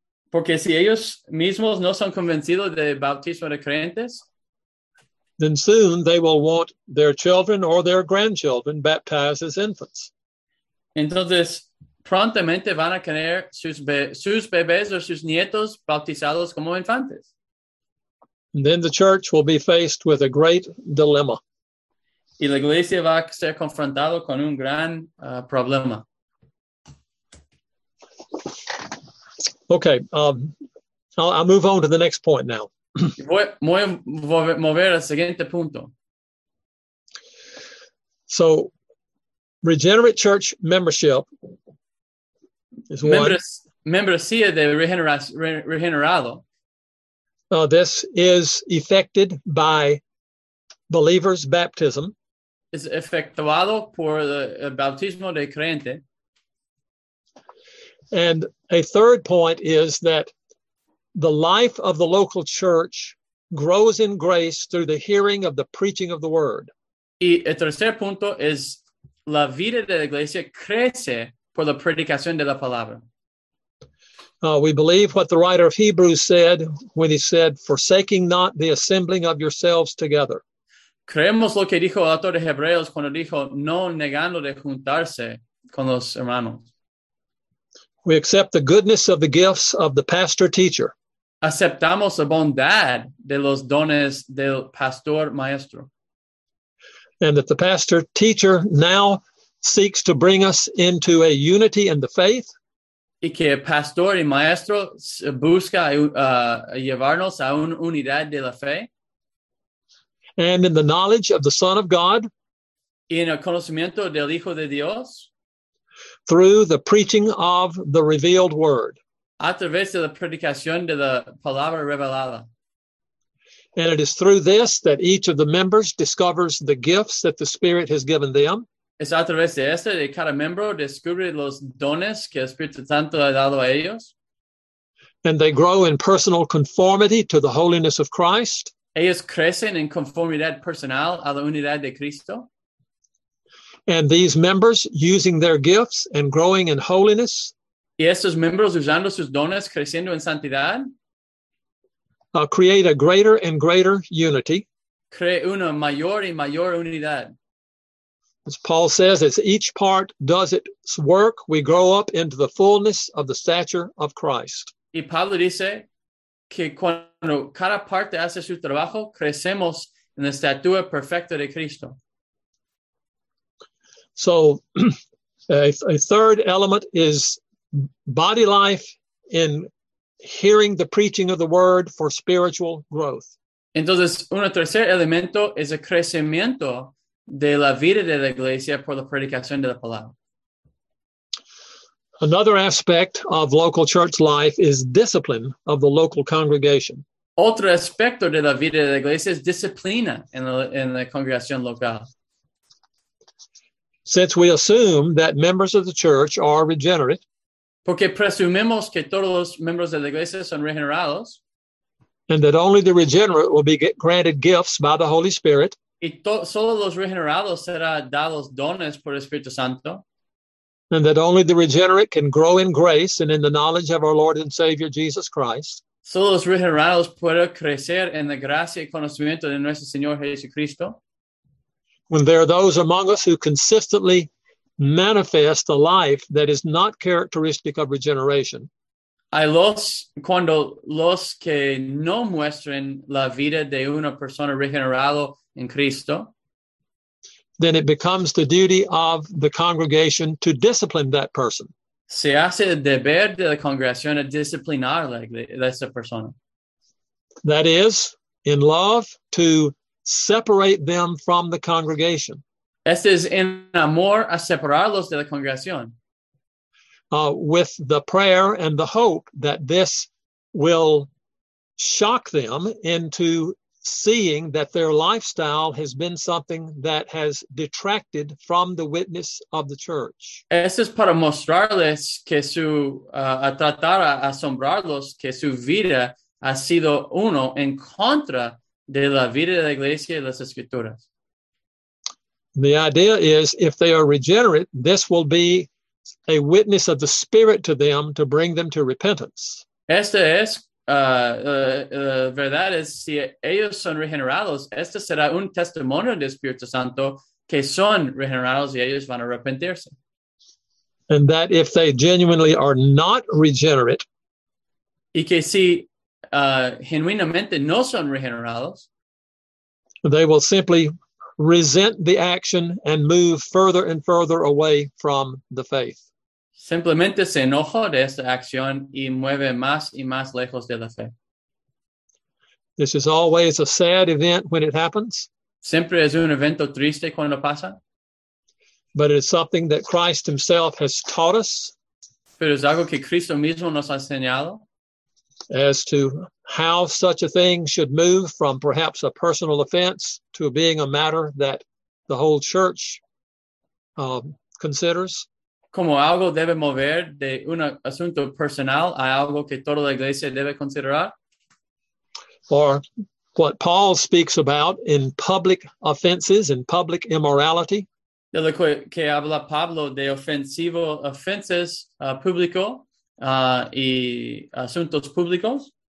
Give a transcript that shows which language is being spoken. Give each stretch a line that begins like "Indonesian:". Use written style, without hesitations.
Spanish: porque si ellos mismos no son convencidos de bautismo de creyentes,
English: then soon they will want their children or their grandchildren baptized as infants.
Spanish: Entonces, prontamente van a tener sus bebés o sus nietos bautizados como infantes.
English: And then the church will be faced with a great dilemma.
Spanish: Y la iglesia va a ser confrontado con un gran problema.
English: Okay, I'll move on to the next point now.
Spanish: Voy a mover al siguiente punto.
English: So, regenerate church membership.
Spanish: Membres, membresía de regenerado.
English: This is effected by believers' baptism.
Spanish: Es efectuado por el bautismo de creyente.
English: And a third point is that the life of the local church grows in grace through the hearing of the preaching of the word.
Spanish: Y el tercer punto es la vida de la iglesia crece por la predicación de la palabra.
English: We believe what the writer of Hebrews said when he said, forsaking not the assembling of yourselves together.
Spanish: Creemos lo que dijo el autor de Hebreos cuando dijo, no negando de juntarse con los hermanos.
English: We accept the goodness of the gifts of the pastor teacher.
Spanish: Aceptamos la bondad de los dones del pastor maestro.
English: And that the pastor teacher now seeks to bring us into a unity in the faith.
Spanish: Y que el pastor y maestro busca llevarnos a una unidad de la fe.
English: And in the knowledge of the Son of God.
Spanish: Y en el conocimiento del Hijo de Dios.
English: Through the preaching of the revealed word.
Spanish: A través de la predicación de la palabra revelada.
English: And it is through this that each of the members discovers the gifts that the Spirit has given them.
Spanish: Es a través de este de cada miembro descubre los dones que el Espíritu Santo ha dado a ellos.
English: And they grow in personal conformity to the holiness of Christ.
Spanish: Ellos crecen en conformidad personal a la unidad de Cristo.
English: And these members using their gifts and growing in holiness.
Spanish: Y estos miembros usando sus dones creciendo en santidad.
English: Create a greater and greater unity.
Spanish: Crea una mayor y mayor unidad.
English: As Paul says, as each part does its work, we grow up into the fullness of the stature of Christ.
Spanish: Y Pablo dice que cuando cada parte hace su trabajo, crecemos en la estatura perfecta de Cristo.
English: So, a third element is body life in hearing the preaching of the word for spiritual growth.
Spanish: Entonces, un tercer elemento es el crecimiento de la vida de la iglesia por la predicación de la palabra.
English: Another aspect of local church life is discipline of the local congregation.
Spanish: Otro aspecto de la vida de la iglesia es disciplina en la congregación local.
English: Since we assume that members of the church are regenerate,
Spanish: porque presumimos que todos los miembros de la iglesia son regenerados,
English: and that only the regenerate will be granted gifts by the Holy Spirit,
Spanish: y solo los regenerados serán dados dones por el Espíritu Santo,
English: and that only the regenerate can grow in grace and in the knowledge of our Lord and Savior Jesus Christ,
Spanish: solo los regenerados pueden crecer en la gracia y conocimiento de nuestro Señor Jesucristo,
English: when there are those among us who consistently manifest a life that is not characteristic of regeneration.
Spanish: Hay los cuando los que no muestren la vida de una persona regenerado en Cristo.
English: Then it becomes the duty of the congregation to discipline that person.
Spanish: Se hace el deber de la congregación a disciplinar a esa persona.
English: That is, in love, to separate them from the congregation.
Spanish: Este es en amor a separarlos de la congregación.
English: With the prayer and the hope that this will shock them into seeing that their lifestyle has been something that has detracted from the witness of the church.
Spanish: Este es para mostrarles que su, a tratar a asombrarlos que su vida ha sido uno en contra de la vida de la iglesia y las escrituras.
English: The idea is, if they are regenerate, this will be a witness of the Spirit to them to bring them to repentance.
Spanish: Esta es, verdad es, si ellos son regenerados, este será un testimonio del Espíritu Santo que son regenerados y ellos van a arrepentirse.
English: And that if they genuinely are not regenerate,
Spanish: y que si genuinamente no son regenerados,
English: they will simply resent the action and move further and further away from the faith.
Spanish: Simplemente se enoja de esta acción y mueve más y más lejos de la fe.
English: This is always a sad event when it happens.
Spanish: Siempre es un evento triste cuando pasa.
English: But it is something that Christ himself has taught us.
Spanish: Pero es algo que Cristo mismo nos ha enseñado.
English: As to how such a thing should move from perhaps a personal offense to being a matter that the whole church considers.
Spanish: Como algo debe mover de un asunto personal a algo que toda la iglesia debe considerar.
English: Or what Paul speaks about in public offenses and public immorality.
Spanish: De lo que habla Pablo de ofensivo ofensas público y asuntos públicos.